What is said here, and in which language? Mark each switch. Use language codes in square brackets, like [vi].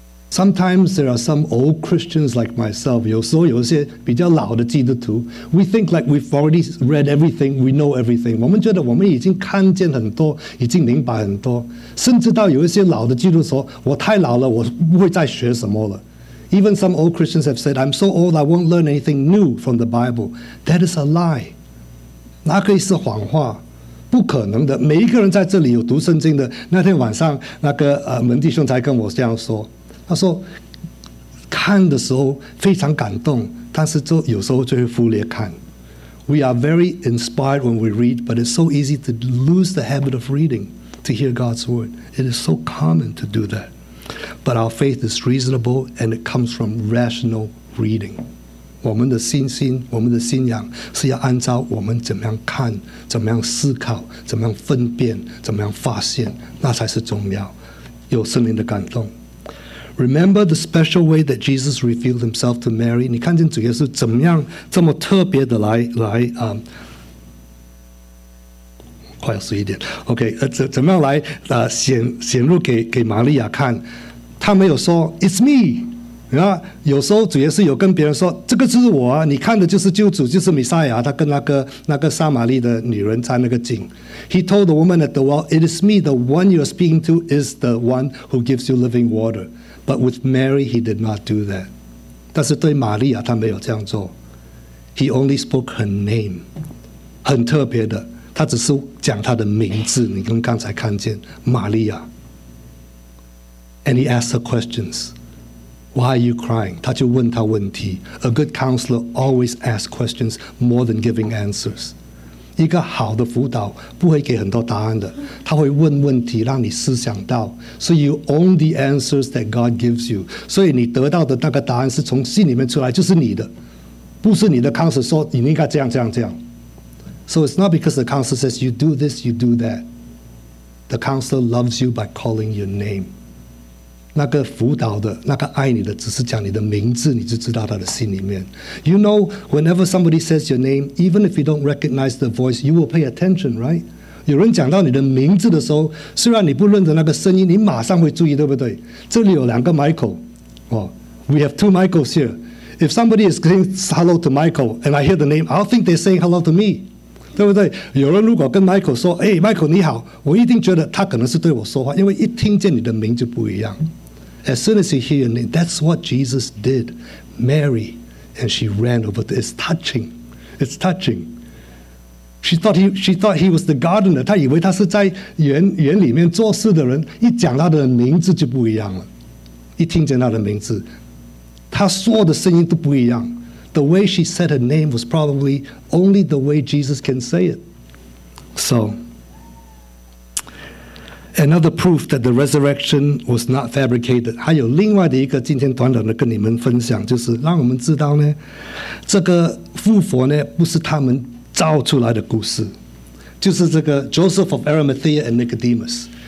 [en] Sometimes there are some old Christians like myself, [zh] 有时候有些比较老的基督徒 [en] we think like we've already read everything, we know everything. [zh] 我们觉得我们已经看见很多，已经明白很多，甚至到有一些老的基督徒说，我太老了，我不会再学什么了。 [en] Even some old Christians have said, I'm so old, I won't learn anything new from the Bible. That is a lie. [zh] 那可以是谎话。不可能的，每一个人在这里有读圣经的，那天晚上那个门弟兄才跟我这样说。他说看的时候非常感动，但是就有时候就会忽略看。 [en] We are very inspired when we read, but it's so easy to lose the habit of reading to hear God's word. It is so common to do that. But our faith is reasonable and it comes from rational reading. [zh] 我们的信心，我们的信仰是要按照我们怎么样看，怎么样思考，怎么样分辨，怎么样发现，那才是重要，有圣灵的感动。 [en] Remember the special way that Jesus revealed himself to Mary. [zh] 你看见主耶稣怎么样这么特别的来快速一点。OK， 怎么样来显露给玛利亚看？他没有说 [en] "It's me"， [zh] 你看，有时候主耶稣有跟别人说："这个就是我啊，你看的就是救主，就是弥赛亚。"他跟那个撒玛利的女人在那个井。 [en] He told the woman at the well, "It is me, the one you are speaking to is the one who gives you living water." But with Mary, he did not do that. [zh] 但是对玛利亚，他没有这样做。 [en] He only spoke her name， [zh] 很特别的，他只是讲他的名字。你跟刚才看见玛利亚。 [en] And he asked her questions. Why are you crying? [zh] 他就问他问题。 [en] A good counselor always asks questions more than giving answers. [zh] 一个好的辅导不会给很多答案的，他会问问题让你思想到。 [en] So you own the answers that God gives you. [zh] 所以你得到的那个答案是从心里面出来，就是你的，不是你的 counselor 说你应该这样这样这样。 [en] So it's not because the counselor says you do this, you do that. The counselor loves you by calling your name. [zh] 那个辅导的，那个爱你的，只是讲你的名字，你就知道他的心里面。 [en] You know, whenever somebody says your name, even if you don't recognize the voice, you will pay attention, right? [zh] 有人讲到你的名字的时候，虽然你不认得那个声音，你马上会注意，对不对？这里有两个 [en] Michael, we have two Michaels here. If somebody is saying hello to Michael and I hear the name, I'll think they're saying hello to me, [zh] 对不对？有人如果跟 Michael 说，哎 ，Michael 你好，我一定觉得他可能是对我说话，因为一听见你的名字不一样。 [en] As soon as you hear your name, that's what Jesus did. Mary, and she ran over there. It's touching. It's touching. She thought he was the gardener. [zh] 她以为他是在园里面做事的人。一讲他的名字就不一样了。一听见他的名字，他说的声音都不一样。 [en] The way she said her name was probably only the way Jesus can say it. So... Another proof that the resurrection was not fabricated. [zh] 还有另外的一个今天短短的跟你们分享，就是让我们知道呢，这个复活呢不是他们造出来的故事，就是这个 Joseph of Arimathea and Nicodemus.